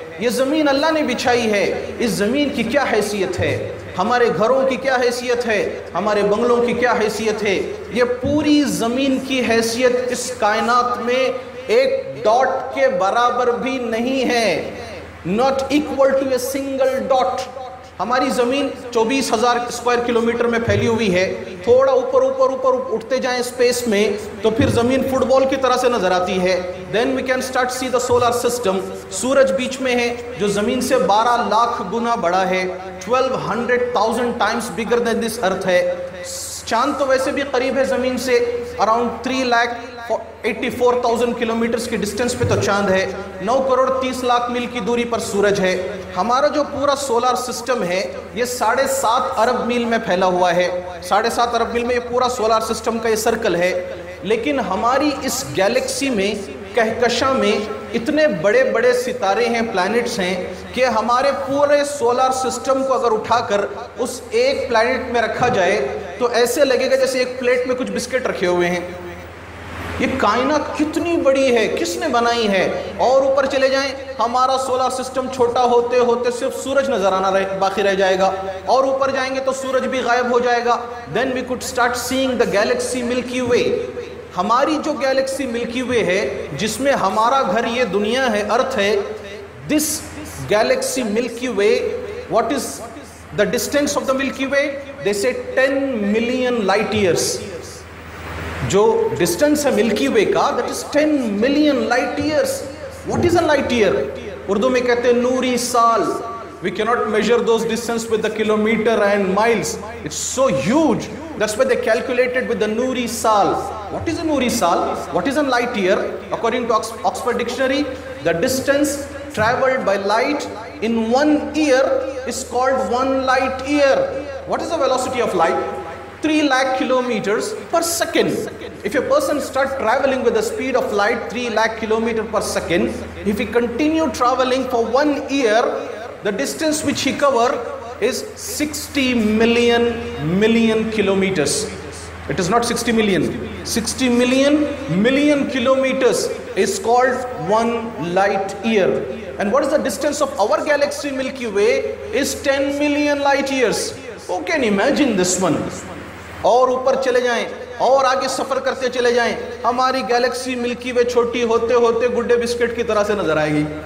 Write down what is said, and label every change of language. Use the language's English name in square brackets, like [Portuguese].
[Urdu] یہ زمین اللہ نے بچھائی ہے, اس زمین کی کیا حیثیت ہے, ہمارے گھروں کی کیا حیثیت ہے, ہمارے بنگلوں کی کیا حیثیت ہے, یہ پوری زمین کی حیثیت اس کائنات میں ایک ڈاٹ کے برابر بھی نہیں ہے, [English] Not equal to a single dot. [Urdu] ہماری زمین 24,000 square kilometers میں پھیلی ہوئی ہے. تھوڑا اوپر اوپر اوپر اٹھتے جائیں اسپیس میں تو پھر زمین فٹ بال کی طرح سے نظر آتی ہے. [English] Then we can start see the solar system. [Urdu] سورج بیچ میں ہے جو زمین سے 12,00,000 گنا بڑا ہے, [English] 1,200,000 times bigger than this earth [Urdu] ہے. چاند تو ویسے بھی قریب ہے زمین سے, اراؤنڈ 3,84,000 kilometers کی ڈسٹینس پہ تو چاند ہے. 9,30,00,000 میل کی دوری پر سورج ہے. ہمارا جو پورا سولار سسٹم ہے یہ 7.5 arab miles میں پھیلا ہوا ہے. 7.5 arab miles میں یہ پورا سولار سسٹم کا یہ سرکل ہے. لیکن ہماری اس گیلیکسی میں, کہکشاں میں اتنے بڑے بڑے ستارے ہیں, پلانٹس ہیں کہ ہمارے پورے سولار سسٹم کو اگر اٹھا کر اس ایک پلانٹ میں رکھا جائے تو ایسے لگے گا جیسے ایک پلیٹ میں کچھ بسکٹ رکھے ہوئے ہیں. یہ کائنات کتنی بڑی ہے, کس نے بنائی ہے. اور اوپر چلے جائیں, ہمارا سولار سسٹم چھوٹا ہوتے ہوتے صرف سورج نظر آنا باقی رہ جائے گا, اور اوپر جائیں گے تو سورج بھی غائب ہو جائے گا. [English] Then we could start seeing the galaxy Milky Way. [Urdu] ہماری جو گیلیکسی ملکی وے ہے جس میں ہمارا گھر یہ دنیا ہے, ارتھ ہے, [English] This galaxy Milky Way, what is the distance of the Milky Way? They say 10 million light years. [Urdu] جو ڈسٹینس ہے ملکی وے کا, [English] That is 10 million light years. What is a light year? [Urdu] Urdu میں کہتے ہیں نوری سال. [English] We can not measure those distance with the kilometre and miles, it's so huge. That's why they calculated with the نوری سال. What is a نوری سال؟ What is a light year? According to Oxford dictionary, the distance travelled by light in one year is called one light year. What is the velocity of light? 3,00,000 kilometers per second. If a person start traveling with the speed of light 3,00,000 kilometers per second, if he continue traveling for 1 year, the distance which he cover is 60 million kilometers. It is not 60 million, 60 million kilometers is called one light year. And what is the distance of our galaxy Milky Way? Is 10 million light years. Who can imagine this one? [Urdu] اور اوپر چلے جائیں, اور آگے سفر کرتے چلے جائیں, ہماری گیلیکسی ملکی وے چھوٹی ہوتے ہوتے گڈے بسکٹ کی طرح سے نظر آئے گی.